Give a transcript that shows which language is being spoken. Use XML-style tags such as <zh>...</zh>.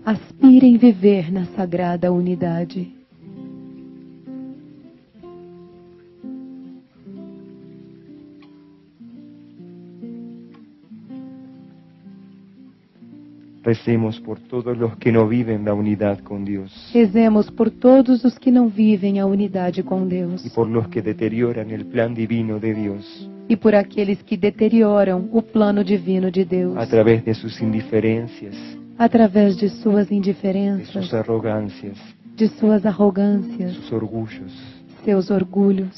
<pt>Aspirem viver na sagrada unidade.</pt> <es>Recemos por todos los que no viven la unidad con Dios.</es> <pt>Rezemos por todos os que não vivem a unidade com Deus.</pt> <es>Y por los que deterioran el plan divino de Dios.</es> <pt>E por aqueles que deterioram o plano divino de Deus.</pt> <es>A través de sus indiferencias.</es> <pt>Através de suas indiferenças.</pt> <es>De sus arrogancias.</es> <pt>De suas arrogâncias.</pt> <es>Sus orgullos.</es> <pt>Seus orgulhos.</pt>